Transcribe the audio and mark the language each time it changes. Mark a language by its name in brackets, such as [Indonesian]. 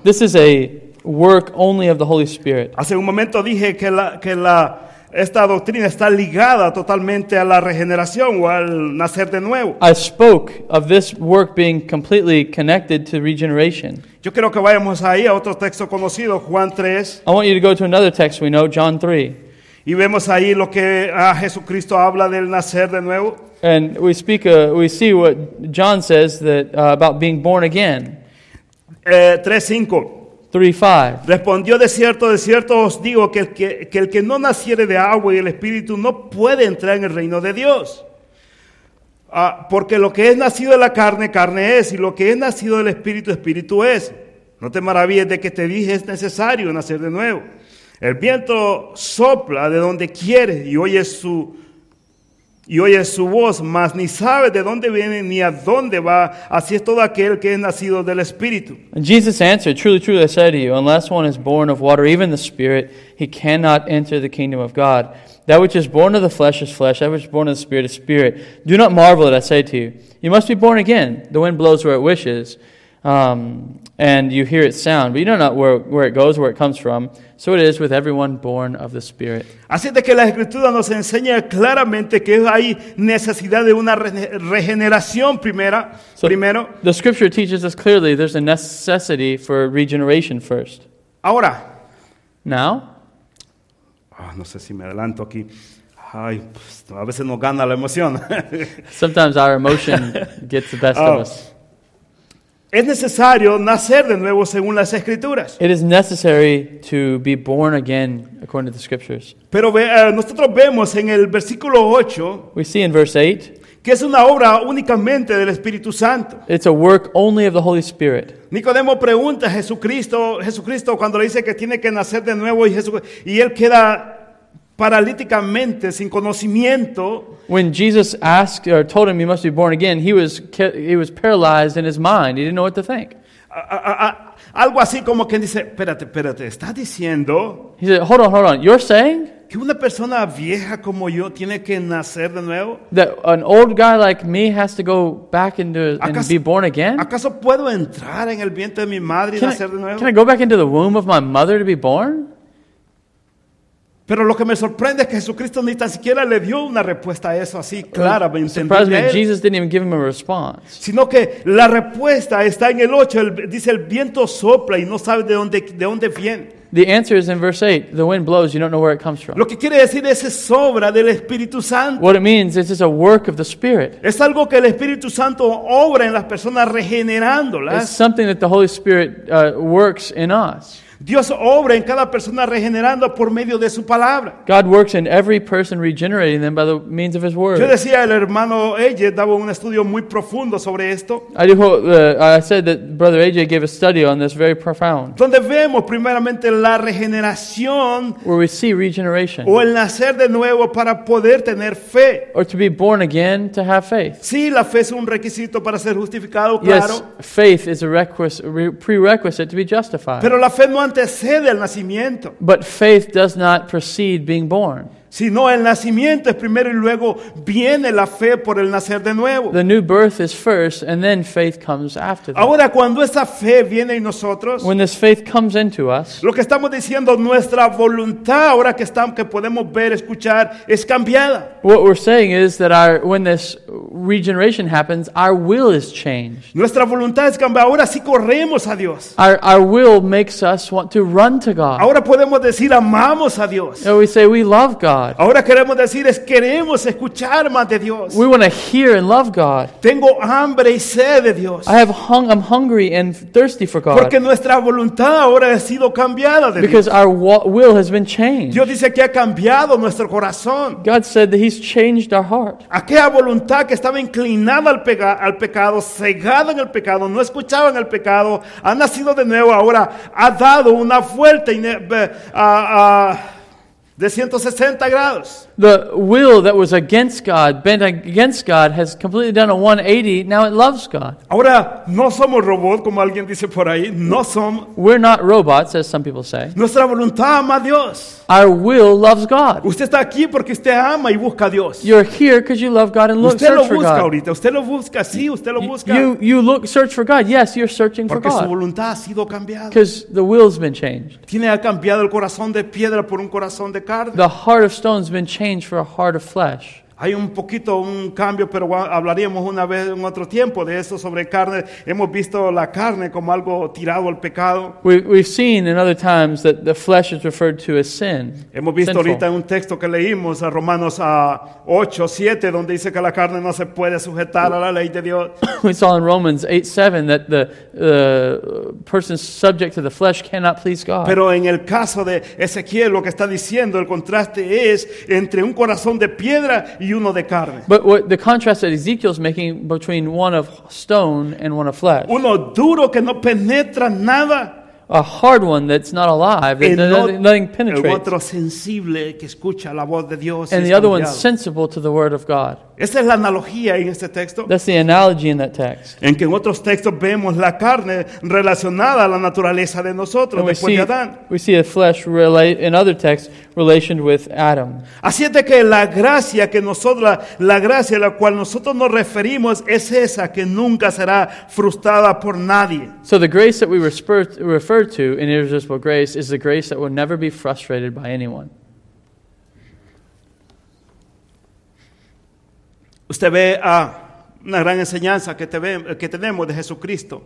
[English] This is a work only of the Holy Spirit. [Spanish] Hace un momento dije que esta doctrina está ligada totalmente a la regeneración o al nacer de nuevo. [English] I spoke of this work being completely connected to regeneration. [Spanish] Yo quiero que vayamos ahí a otro texto conocido, Juan 3. [English] I want you to go to another text we know, John 3. [Spanish] Y vemos ahí lo que Jesucristo habla del nacer de nuevo. [English] And we see what John says that about being born again. [Spanish] 3:5. [English] 3:5. [Spanish] Respondió, de cierto os digo que el que no naciere de agua y el Espíritu no puede entrar en el reino de Dios. Porque lo que es nacido de la carne, carne es, y lo que es nacido del Espíritu, Espíritu es. No te maravilles de que te dije, es necesario nacer de nuevo. El viento sopla de donde quiere y oye su Y oye su voz, mas ni sabe de dónde viene ni a dónde va. Así es todo aquel que es nacido del Espíritu. [English] And Jesus answered, truly, truly, I say to you, unless one is born of water, even the Spirit, he cannot enter the kingdom of God. That which is born of the flesh is flesh, that which is born of the Spirit is spirit. Do not marvel that I say to you, you must be born again. The wind blows where it wishes, and you hear its sound, but you know not where it goes, where it comes from. So it is with everyone born of the Spirit. [Spanish] Así de que la Escritura nos enseña claramente que hay necesidad de una regeneración primero. [English] The Scripture teaches us clearly there's a necessity for regeneration first. [Spanish] Ahora. [English] Now. [Spanish] No sé si me adelanto aquí. Ay, pues, a veces nos gana la emoción. [English] Sometimes our emotion gets the best of us. [Spanish] Es necesario nacer de nuevo según las Escrituras. [English] It is necessary to be born again according to the Scriptures. [Spanish] Pero nosotros vemos en el versículo 8, [English] we see in verse 8, [Spanish] que es una obra únicamente del Espíritu Santo. [English] It's a work only of the Holy Spirit. [Spanish] Nicodemo pregunta a Jesucristo cuando le dice que tiene que nacer de nuevo y él queda paralíticamente sin conocimiento. [English] When Jesus asked or told him he must be born again, he was paralyzed in his mind. He didn't know what to think. [Spanish] Algo así como quien dice, espérate, está diciendo. [English] He said, hold on, you're saying? [Spanish] Que una persona vieja como yo tiene que nacer de nuevo? [English] That an old guy like me has to go back into and be born again? [Spanish] ¿Acaso puedo entrar en el vientre de mi madre y nacer de nuevo? [English] Can I go back into the womb of my mother to be born? [Spanish] Pero lo que me sorprende es que Jesucristo ni tan siquiera le dio una respuesta a eso así clara, entendible. [English] Jesus didn't even give him a response. [Spanish] Sino que la respuesta está en el 8, dice el viento sopla y no sabe de dónde viene. [English] The answer is in verse 8. The wind blows, you don't know where it comes from. [Spanish] Lo que quiere decir es obra del Espíritu Santo. [English] What it means is it's a work of the Spirit. [Spanish] Es algo que el Espíritu Santo obra en las personas regenerándolas. [English] It's something that the Holy Spirit works in us. [Spanish] Dios obra en cada persona regenerando por medio de su palabra. [English] God works in every person regenerating them by the means of his word. [Spanish] Yo decía el hermano AJ daba un estudio muy profundo sobre esto. [English] I said that brother AJ gave a study on this very profound. [Spanish] Donde vemos primeramente la regeneración. [English] Where we see regeneration. [Spanish] O el nacer de nuevo para poder tener fe. [English] Or to be born again to have faith. [Spanish] Sí, la fe es un requisito para ser justificado, claro. [English] Yes, faith is a prerequisite to be justified. [Spanish] Pero la fe no antecede al nacimiento. [English] But faith does not precede being born. [Spanish] Sino el nacimiento es primero y luego viene la fe por el nacer de nuevo. [English] The new birth is first and then faith comes after that. [Spanish] Ahora cuando esa fe viene en nosotros, [English] when this faith comes into us, [Spanish] lo que estamos diciendo, nuestra voluntad ahora que podemos ver, escuchar, es cambiada. [English] What we're saying is that when this regeneration happens, our will is changed. [Spanish] Nuestra voluntad es cambiada, ahora sí corremos a Dios. [English] Our will makes us want to run to God. [Spanish] Ahora podemos decir amamos a Dios. [English] And we say we love God. [Spanish] Ahora queremos decir es queremos escuchar más de Dios. [English] We want to hear and love God. [Spanish] Tengo hambre y sed de Dios. [English] I'm hungry and thirsty for God. [Spanish] Porque nuestra voluntad ahora ha sido cambiada de [English] Because [Spanish] Dios. [English] Our will has been changed. [Spanish] Dios dice que ha cambiado nuestro corazón. [English] God said that he's changed our heart. [Spanish] Aquella voluntad que estaba inclinada al pecado, cegada en el pecado, no escuchaba en el pecado, ha nacido de nuevo, ahora ha dado una vuelta de 160 grados. [English] The will that was against God, bent against God, has completely done a 180. Now it loves God. [Spanish] Ahora no somos robots como alguien dice por ahí. No somos. [English] We're not robots, as some people say. [Spanish] Nuestra voluntad ama a Dios. [English] Our will loves God. [Spanish] Usted está aquí porque usted ama y busca a Dios. [English] You're here because you love God and look, search for God. [Spanish] Usted lo busca ahorita. Usted lo busca. Sí, usted lo busca. [English] You look, search for God. Yes, you're searching [Spanish] porque [English] for God. [Spanish] Porque su voluntad ha sido cambiada. [English] Because the will's been changed. [Spanish] Tiene ha cambiado el corazón de piedra por un corazón de carne. [English] The heart of stone's been changed for a heart of flesh. [Spanish] Hay un poquito un cambio, pero hablaríamos una vez en otro tiempo de eso sobre carne. Hemos visto la carne como algo tirado al pecado. [English] We've seen in other times that the flesh is referred to as sin. [Spanish] Hemos visto sinful. Ahorita un texto que leímos a Romanos 8:7, donde dice que la carne no se puede sujetar a la ley de Dios. [English] We saw in Romans 8:7 that the person subject to the flesh cannot please God. [Spanish] Pero en el caso de Ezequiel, lo que está diciendo, el contraste es entre un corazón de piedra y uno de carne. [English] But what the contrast that Ezekiel's making between one of stone and one of flesh. [Spanish] Uno duro que no penetra nada. [English] a hard one that's not alive, nothing penetrates. [Spanish] El otro sensible que escucha la voz de Dios, [English] and the other one sensible to the word of God. [Spanish] Esa es la analogía en este texto. [English] That's the analogy in that text. [Spanish] En que en otros textos vemos la carne relacionada a la naturaleza de nosotros, después de Adán. [English] We see the flesh in other texts relationed with Adam. [Spanish] Así es de que la gracia que nosotros, la gracia a la cual nosotros nos referimos es esa que nunca será frustrada por nadie. [English] So the grace that we refer to in irresistible grace is the grace that will never be frustrated by anyone. [Spanish] Usted ve una gran enseñanza que tenemos de Jesucristo.